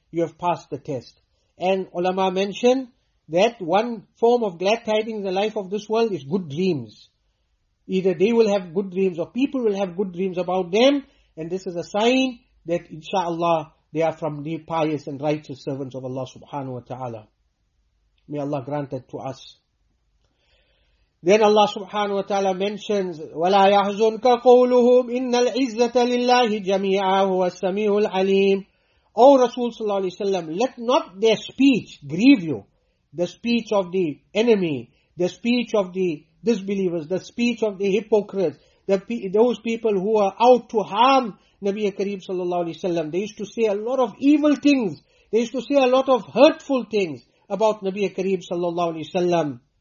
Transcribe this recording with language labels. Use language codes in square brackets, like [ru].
[en] you have passed the test. And ulama mention that one form of glad tidings in the life of this world is good dreams. Either they will have good dreams or people will have good dreams about them. And this is a sign that inshallah they are from the pious and righteous servants of Allah subhanahu wa ta'ala. May Allah grant that to us. Then Allah subhanahu wa ta'ala mentions, [ar] وَلَا يَحْزُنْكَ قَوْلُهُمْ إِنَّ الْعِزَّةَ لِلَّهِ جَمِيعًا هُوَ السَّمِيعُ الْعَلِيمُ. [en] O Rasul sallallahu alayhi wa sallam, let not their speech grieve you. The speech of the enemy, the speech of the disbelievers, the speech of the hypocrites, those people who are out to harm Nabi Kareem sallallahu alayhi wa sallam. They used to say a lot of evil things. They used to say a lot of hurtful things about Nabi Kareem sallallahu alayhi wa sallam.